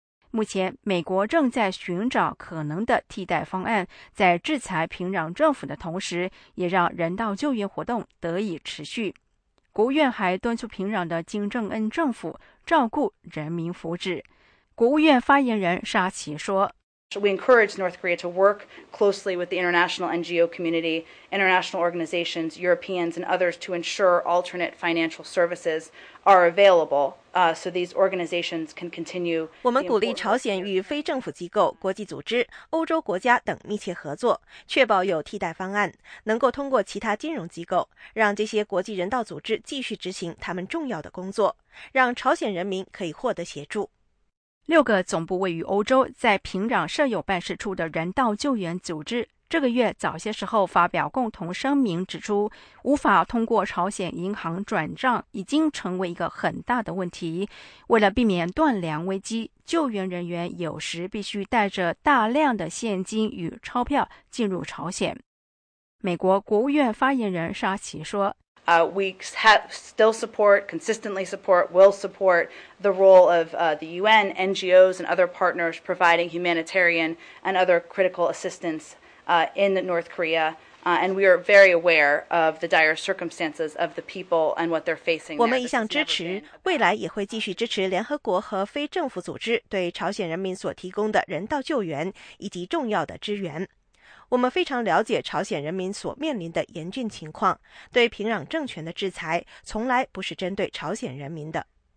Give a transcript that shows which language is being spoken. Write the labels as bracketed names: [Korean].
[Chinese] 目前，美国正在寻找可能的替代方案，在制裁平壤政府的同时，也让人道救援活动得以持续。国务院还敦促平壤的金正恩政府照顾人民福祉。国务院发言人沙奇说， [English] We encourage North Korea to work closely with the international NGO community, international organizations, Europeans and others to ensure alternate financial services are available So these organizations can continue. [Chinese] 我们鼓励朝鲜与非政府机构、国际组织、欧洲国家等密切合作，确保有替代方案，能够通过其他金融机构，让这些国际人道组织继续执行他们重要的工作，让朝鲜人民可以获得协助。六个总部位于欧洲，在平壤设有办事处的人道救援组织，这个月早些时候发表共同声明，指出无法通过朝鲜银行转账已经成为一个很大的问题。为了避免断粮危机，救援人员有时必须带着大量的现金与钞票进入朝鲜。美国国务院发言人沙奇说， [English] We have still support, consistently support, will support the role of the UN, NGOs and other partners providing humanitarian and other critical assistance in North Korea. And we are very aware of the dire circumstances of the people and what they're facing. [Chinese] 我们一向支持，未来也会继续支持联合国和非政府组织对朝鲜人民所提供的人道救援以及重要的支援。我们非常了解朝鲜人民所面临的严峻情况，对平壤政权的制裁从来不是针对朝鲜人民的。